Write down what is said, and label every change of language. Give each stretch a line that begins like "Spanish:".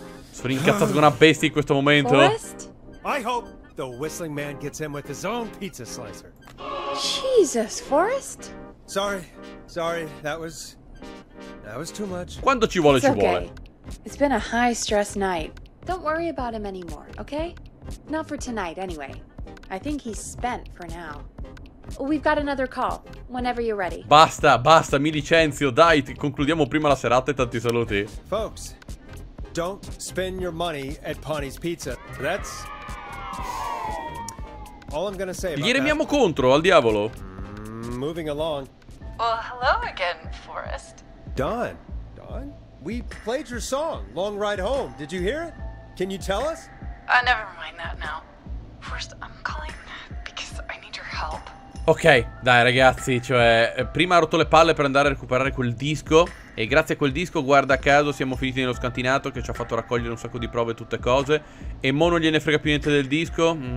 Italian: Sono incazzato con una bestia in questo momento.
English: Forrest? I hope the whistling man gets him with his own pizza slicer. Jesus, Forrest. Sorry, that was too much.
Italian: Quando ci vuole,
English: it's okay.
Italian: Ci vuole.
English: It's been a high stress night. Don't worry about him anymore, okay? Not for tonight, anyway. I think he's spent for now. We've got another call, whenever you're ready.
Italian: Basta, basta, mi licenzio, dai, concludiamo prima la serata e tanti saluti.
English: Folks, don't spend your money at Ponti's Pizza. That's all I'm gonna say.
Italian: Gli remiamo contro, al diavolo.
English: Moving along. Well, hello again, Forrest. Don? We played your song, Long Ride Home. Did you hear it? Can you tell us? Never mind that now. First, I'm calling because I need your help.
Italian: Ok, dai ragazzi, cioè, prima ha rotto le palle per andare a recuperare quel disco. E grazie a quel disco, guarda caso, siamo finiti nello scantinato che ci ha fatto raccogliere un sacco di prove e tutte cose. E mo non gliene frega più niente del disco.